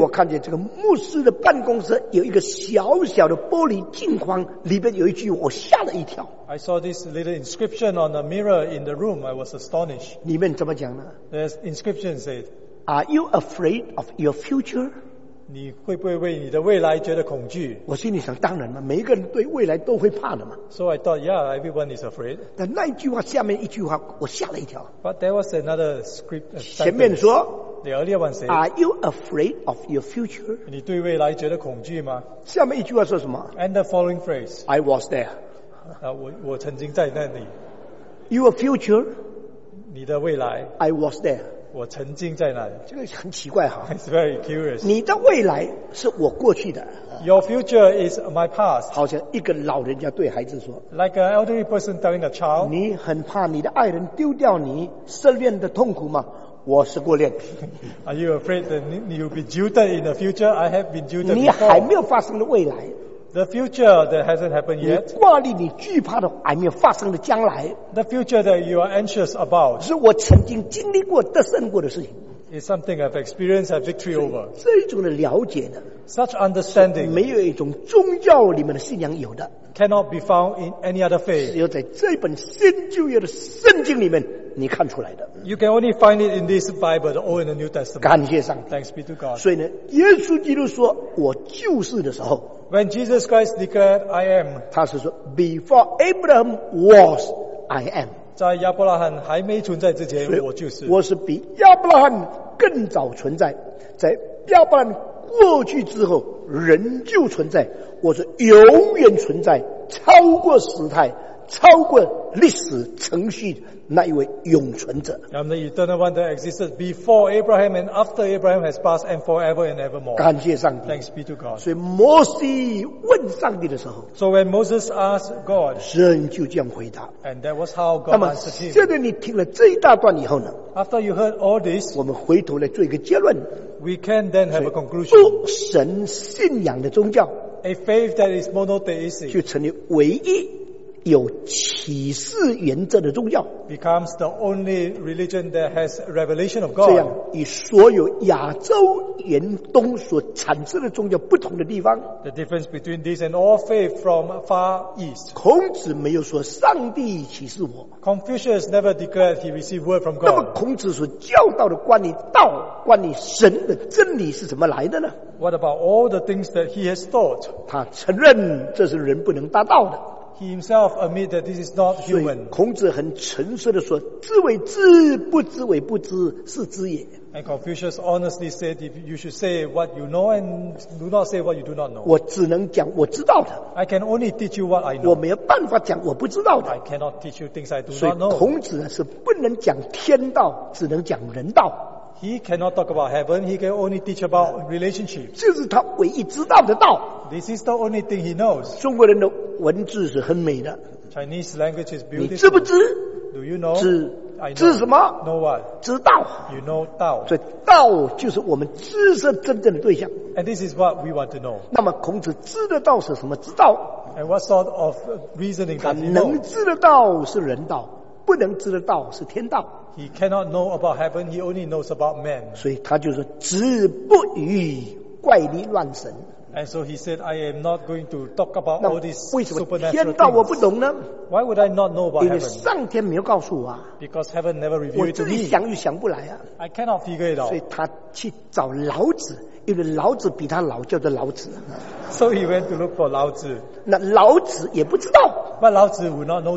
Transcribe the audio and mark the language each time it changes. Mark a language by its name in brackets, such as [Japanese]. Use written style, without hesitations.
[Chinese] 我看见这个牧师的办公室有一个小小的玻璃镜框，里面有一句，我吓了一跳。 [English] I saw this little inscription on a mirror in the room. I was astonished. [Chinese] 里面怎么讲呢？ [English] The inscription said, Are you afraid of your future? [Chinese] 你会不会为你的未来觉得恐惧？我心里想，当然嘛，每一个人对未来都会怕的嘛。 [English] So I thought, yeah, everyone is afraid. [Chinese] 但那一句话下面一句话，我吓了一跳。 [English] But there was another script. [Chinese] 前面说， [English] The earlier one said, Are you afraid of your future? [Chinese] 你对未来觉得恐惧吗？下面一句话说什么？ [English] And the following phrase, I was there. [Chinese] 我曾经在那里。 [English] Your future, [Chinese] 你的未来。 [English] I was there, [Chinese] 我曾经在那里。这个很奇怪哈。 [English] It's very curious. [Chinese] 你的未来是我过去的。 [English] Your future is my past. [Chinese] 好像一个老人家对孩子说。 [English] Like an elderly person telling a child. [Chinese] 你很怕你的爱人丢掉你，失恋的痛苦吗？我是过恋。 [English] Are you afraid that you'll be jilted in the future? I have been jilted before. [Chinese] 你还没有发生的未来。 [English] The future that hasn't happened yet. [Chinese] 你挂虑你惧怕的还没有发生的将来。 [English] The future that you are anxious about. [Chinese] 是我曾经经历过得胜过的事情。 [English] Is something I've experienced a victory over. [Chinese] 这种的了解呢。 [English] Such understanding. [Chinese] 没有一种宗教里面的信仰有的。 [English] Cannot be found in any other faith. [Chinese] 只有在这本新旧约的圣经里面你看出来的。 [English] You can only find it in this Bible, the Old and the New Testament. [Chinese] 感谢上帝。 [English] Thanks be to God. [Chinese] 所以呢，耶稣基督说我就是的时候。 [English] When Jesus Christ declared, I am. [Chinese] 他是说 [English] Before Abraham was, I am. [Chinese] 在亚伯拉罕还没存在之前，我就是。我是比亚伯拉罕更早存在，在亚伯拉罕过去之后，人就存在。我是永远存在，超过时态，超过历史程序那一位永存者。 [English] I'm the eternal one that existed before Abraham and after Abraham has passed and forever and evermore. [Chinese] 感谢上帝。 [English] Thanks be to God. [Chinese] 所以摩西问上帝的时候。 [English] So when Moses asked God. [Chinese] 神就这样回答。 [English] And that was how God answered him. [Chinese] 那么现在你听了这一大段以后呢。 [English] After you heard all this. [Chinese] 我们回头来做一个结论。 [English] We can then have a conclusion. [Chinese] 不神信仰的宗教。 [English] A faith that is monotheistic. [Chinese] 就成为唯一。有启示原则的宗教 [English] becomes the only religion that has revelation of God. [Chinese] 这样与所有亚洲远东所产生的宗教不同的地方 [English] the difference between this and all faith from far east. [Chinese] 孔子没有说上帝启示我 [English] Confucius never declared he received word from God. [Chinese] 那么孔子所教导的关于道关于神的真理是怎么来的呢？ [English] What about all the things that he has taught? [Chinese] 他承认这是人不能达到的。 [English] He himself admit that this is not human. [Chinese] 孔子很诚实地说, 自为知, 不知为, 不知是知也。 [English] And Confucius honestly said, if you should say what you know and do not say what you do not know. [Chinese] 我只能讲我知道的。 [English] I can only teach you what I know. [Chinese] 我没有办法讲我不知道的。 [English] I cannot teach you things I do not know. [Chinese] 孔子是不能讲天道, 只能讲人道。 [English] He cannot talk about heaven, he can only teach about relationships. [Chinese] 这是他唯一知道的道。 [English] This is the only thing he knows. [Chinese] 中国人的文字是很美的。 [English] Chinese language is beautiful. [Chinese] 你知不知? [English] Do you know? [Chinese] 知什么? [English] Know what? [Chinese] 知道。 [English] You know 道。 [Chinese] 所以道就是我们知识真正的对象。 [English] And this is what we want to know. [Chinese] 那么孔子知的道是什么? 知道。 [English] And what sort of reasoning does he know? [Chinese] 能知的道是人道。不能知的道是天道。 [English] He cannot know about heaven, he only knows about man. [Chinese] 所以他就是止不语怪力乱神。 [English] And so he said, I am not going to talk about all these supernatural things. [Chinese] 天道我不懂呢? [English] Why would I not know about heaven? [Chinese] 因为上天没有告诉我啊。 [English] Because heaven never revealed to me. [Chinese] 我自己想又想不来啊。 [English] I cannot figure it out. [Chinese] 所以他去找老子。因为老子比他老，叫做老子。 [English] So he went to look for 老子。 [Chinese] 那老子也不知道。 [English] But 老子 would not know too.